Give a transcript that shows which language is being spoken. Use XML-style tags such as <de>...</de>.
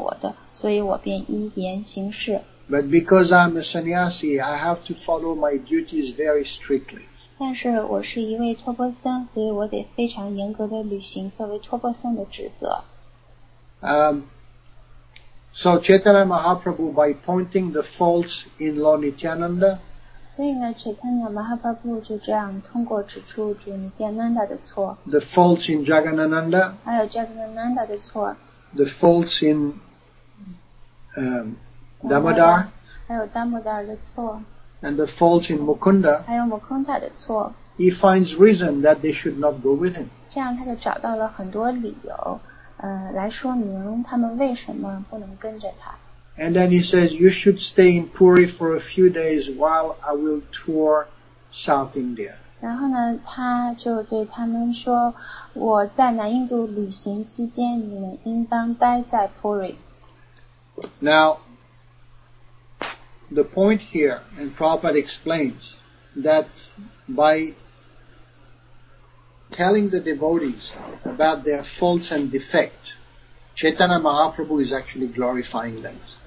<zh>那如果说奉献者想让我行感官享乐,或者说让我打破一些规则,那因为是他们这样命令我的,所以我便依言行事。</zh> <en>But because I'm a sannyasi, I have to follow my duties very strictly.</en> <zh>但是我是一位托钵僧, 所以我得非常严格地履行作为托钵僧的职责。</zh> <en>So Chaitanya Mahaprabhu, by pointing the faults in Lord Nityananda,</en> <zh>所以呢, Chaitanya Mahaprabhu就这样通过指出主Nityananda的错,</zh> <en>the faults in Jagannananda,</en> <zh>还有Jagannananda的错,</zh> <en>the faults in Damodar,</en> <zh>还有Damodar的错,</zh> <en>and the faults in Mukunda,</en> <zh>还有Mukunda的错,</zh> <en>he finds reason that they should not go with him.</en> <zh>这样他就找到了很多理由, 来说明他们为什么不能跟着他。</zh> <en>And then he says, you should stay in Puri for a few days while I will tour South India.</en> <zh>然后呢,他就对他们说, 我在南印度旅行期间, 你们应当待在Puri。</zh> <en>Now, the point here, and Prabhupada explains, that by telling the devotees about their faults and defects, Chaitanya Mahaprabhu is actually glorifying them.</en>